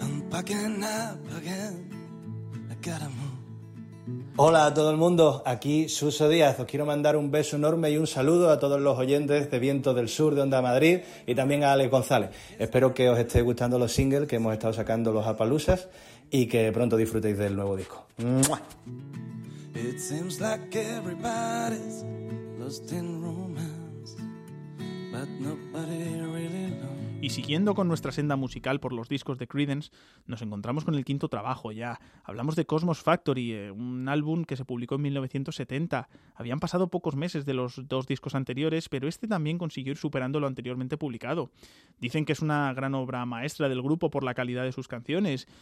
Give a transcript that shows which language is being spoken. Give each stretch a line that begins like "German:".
English: Packing up again, I gotta move.
Spanish: Hola a todo el mundo, aquí Suso Díaz. Os quiero mandar un beso enorme y un saludo a todos los oyentes de Viento del Sur de Onda Madrid y también a Alex González. Espero que os esté gustando los singles que hemos estado sacando los Apalusas y que pronto disfrutéis del nuevo disco. ¡Mua!
English: It seems like everybody's lost in romance, but nobody really knows.
Spanish: Y siguiendo con nuestra senda musical por los discos de Creedence, nos encontramos con el quinto trabajo ya. Hablamos de Cosmos Factory, un álbum que se publicó en 1970. Habían pasado pocos meses de los dos discos anteriores, pero este también consiguió ir superando lo anteriormente publicado. Dicen que es una gran obra maestra del grupo por la calidad de sus canciones.